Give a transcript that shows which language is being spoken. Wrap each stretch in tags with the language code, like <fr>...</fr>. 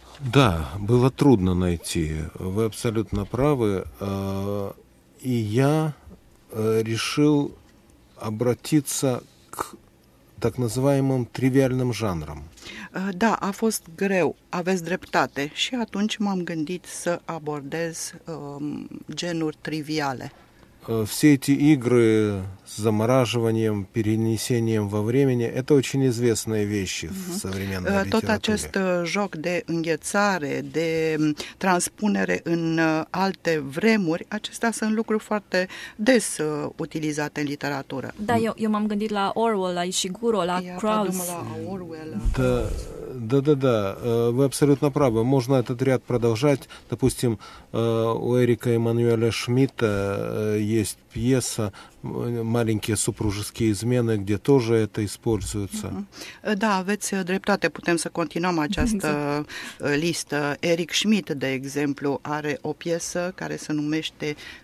<ru>Da, было трудно найти. Вы абсолютно правы. И я решил обратиться к так называемым тривиальным жанром.</ru> <ro>Да, a fost greu, aveți dreptate. Și atunci m-am gândit să abordez genuri triviale.</ro> <ru>Все эти игры с замораживанием, перенесением во времени — это очень известные вещи в современной литературе.</ru> <ro>Tot acest joc de înghețare, de transpunere în alte vremuri, acestea sunt lucruri foarte des utilizate în literatură. Da, eu m-am gândit la Orwell, la Ishiguro, la Krauss.</ro> <ru>Да. Вы абсолютно правы. Можно этот ряд продолжать. Допустим, у Эрика Эммануэля Шмидта есть пьеса «Маленькие супружеские измены», где тоже это используется.</ru> <ro>Да, aveți dreptate. Putem să continuăm această listă. Eric Schmidt, de exemplu, are o piesă care se numește</ro>